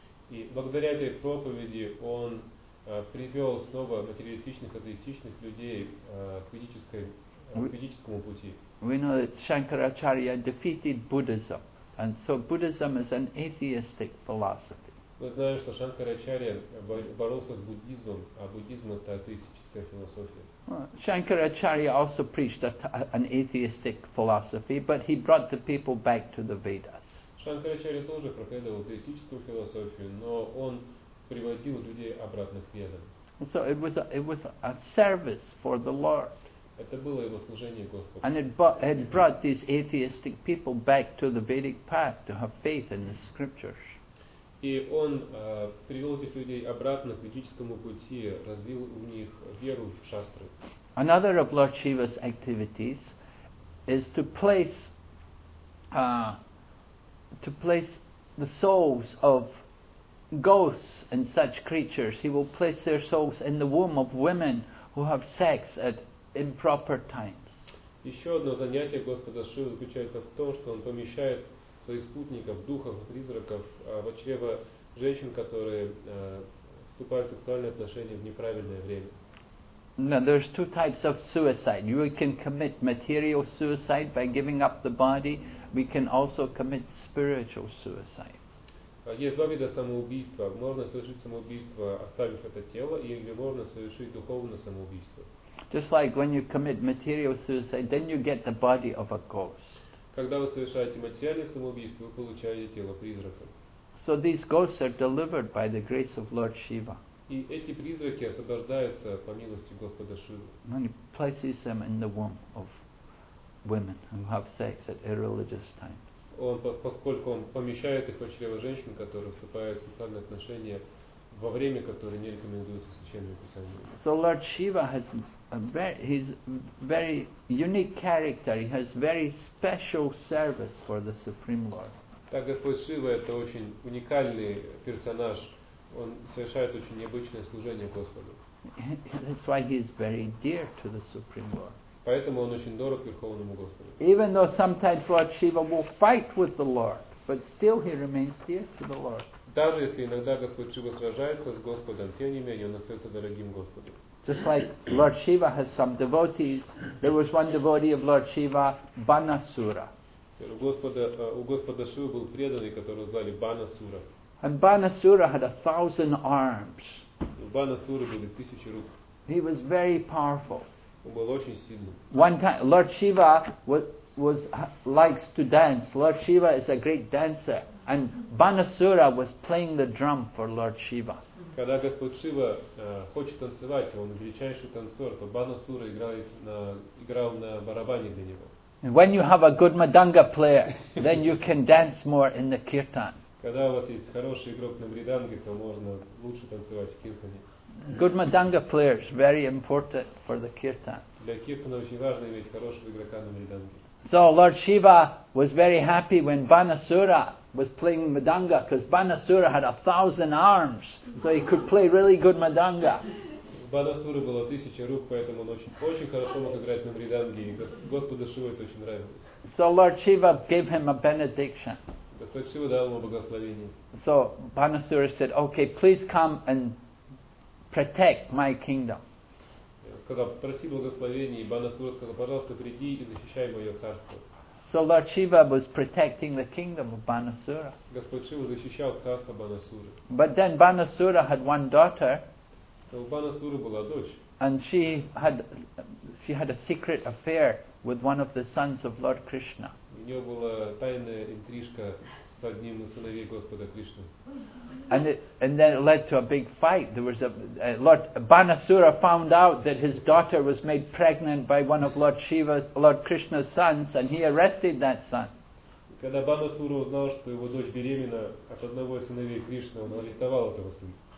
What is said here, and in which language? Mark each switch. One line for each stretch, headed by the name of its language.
Russian: И благодаря этой проповеди он привел снова материалистичных, атеистичных людей к физическому пути.
English: We know that Shankaracharya defeated Buddhism, and so Buddhism is an atheistic philosophy.
Russian: Мы знаем, что Шанкарачарья боролся с буддизмом, а буддизм — это атеистическая философия.
English: Shankaracharya also preached an atheistic philosophy, but he brought the people back to the Vedas.
Russian: Шанкарачарья тоже проповедовал атеистическую философию, но он приводил людей обратно к ведам.
English: So it was a service for the Lord.
Russian: Это было его служение Господу.
English: And it brought these atheistic people back to the Vedic path, to have faith in the scriptures.
Russian: И он привел этих людей обратно к ведическому пути, развил у них веру в шастры.
English: Another of Lord Shiva's activities is to place the souls of ghosts and such creatures. He will place their souls in the womb of women who have sex at improper times.
Russian: Еще одно занятие Господа Шивы заключается в том, что он помещает своих спутников, духов, призраков в чрево женщин, которые вступают в сексуальные отношения в неправильное время.
English: Now there's two types of suicide. We can commit material suicide by giving up the body. We can also commit spiritual suicide.
Russian: Есть два вида самоубийства. Можно совершить самоубийство, оставив это тело, или можно совершить духовное самоубийство.
English: Just like when you commit material suicide, then you get the body of a ghost.
Russian: Когда вы совершаете материальное самоубийство, вы получаете тело призрака.
English: So these ghosts are delivered by the grace of Lord Shiva.
Russian: И эти призраки освобождаются по милости Господа Шивы.
English: And he places them in the womb of women who have sex at irreligious times.
Russian: Он, поскольку он помещает их в чрево женщин, которые вступают в сексуальные отношения во время, которое не рекомендуется Священное Писание.
English: So Lord Shiva has he's very unique character. He has very special service for the Supreme Lord.
Russian: Так Господь Шива — это очень уникальный персонаж. Он совершает очень необычное служение Господу.
English: That's why he is very dear to the Supreme Lord.
Russian: Поэтому он очень дорог Верховному Господу.
English: Even though sometimes Lord Shiva will fight with the Lord, but still he remains dear to the Lord.
Russian: Даже если иногда Господь Шива сражается с Господом, тем не менее он остается дорогим Господу.
English: Just like Lord Shiva has some devotees, there was one devotee of Lord Shiva, Banasura.
Russian: У Господа Шивы был преданный, которого звали Банасура.
English: And Banasura had 1,000 arms.
Russian: У Банасуры были 1,000 рук.
English: He was very powerful.
Russian: Он был очень сильным.
English: One time, Lord Shiva likes to dance. Lord Shiva is a great dancer, and Banasura was playing the drum for Lord Shiva.
Russian: Когда Господь Шива хочет танцевать, он величайший танцор, то Банасура играл на барабане для него.
English: And when you have a good madanga player, then you can dance more in the kirtan.
Russian: Когда у вас есть хороший игрок на мриданге, то можно лучше танцевать в киртане.
English: Good madanga player is very important for the kirtan.
Russian: Для киртана очень важно иметь хорошего игрока на мриданге.
English: So Lord Shiva was very happy when Banasura was playing madanga, because Banasura had 1,000 arms, so he could play really good madanga.
Russian: Banasura было 1,000 рук, поэтому он очень хорошо мог играть на мриданге, и Господу Шиве это очень нравилось.
English: So Lord Shiva gave him a benediction.
Russian: Господь Шива дал ему благословение.
English: So Banasura said, "Okay, please come and protect my kingdom."
Russian: Сказал, проси благословения, и Банасура сказал, пожалуйста, приди и защищай мое царство.
English: So Lord Shiva was protecting the kingdom of Banasura.
Russian: Господь Шива защищал царство Банасуры.
English: But then Banasura had one daughter.
Russian: У Банасуры была дочь.
English: And she had a secret affair with one of the sons of Lord Krishna.
Russian: У нее была тайная интрижка с одним из сыновей Господа Кришны.
English: And then it led to a big fight. There was Lord Banasura found out that his daughter was made pregnant by one of Lord Krishna's sons, and he arrested that son.
Russian: Когда Банасура узнал, что его дочь беременна от одного из сыновей Кришны, он арестовал этого сына.